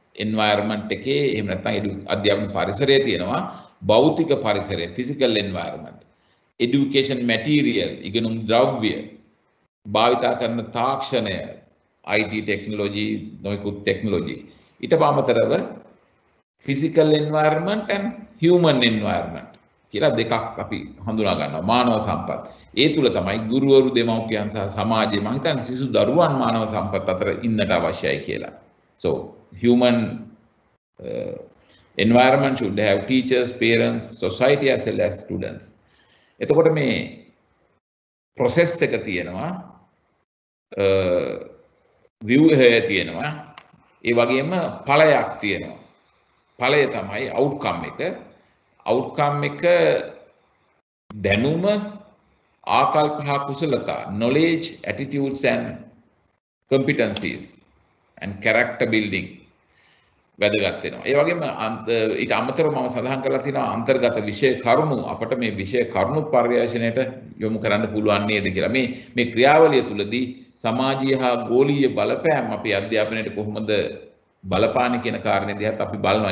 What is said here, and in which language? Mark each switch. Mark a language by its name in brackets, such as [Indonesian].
[Sinhala] environment එකේ එහෙම නැත්නම් අධ්‍යාපන පරිසරයේ තියෙනවා භෞතික පරිසරය, physical environment, education material, ඉගෙනුම් ද්‍රව්‍ය, භාවිතා කරන තාක්ෂණය, IT technology, නොයෙකුත් technology. ඊට පස්සෙතරව [English] physical environment and human environment [Sinhala] කියලා දෙකක් අපි හඳුනා ගන්නවා. මානව සම්පත්, ඒ තුල තමයි ගුරුවරු දෙමව්පියන් සහ සමාජය, මම හිතන්නේ සිසු දරුවන් මානව සම්පත් අතර ඉන්නට අවශ්‍යයි කියලා. [English] So human environment should have teachers, parents, society as well as students. [Sinhala] එතකොට මේ process එක තියෙනවා, view එක තියෙනවා, ඒ වගේම ඵලයක් තියෙනවා. ඵලය තමයි outcome එක. [English] outcome [Sinhala] එක දැනුම, ආකල්ප හා කුසලතා, [English] knowledge, attitudes and competencies and character building [Sinhala] වැදගත් වෙනවා. ඒ වගේම ඊට අමතරව මම සඳහන් කරලා තිනවා අන්තර්ගත විෂය කරුණු අපට මේ විෂය කරුණු පරිවර්ෂණයට යොමු කරන්න පුළුවන් නේද කියලා. මේ මේ ක්‍රියාවලිය තුලදී සමාජීය හා ගෝලීය බලපෑම් අපි අධ්‍යාපනයට කොහොමද බලපාන්නේ කියන කාරණේ දිහාත් අපි බලනවා.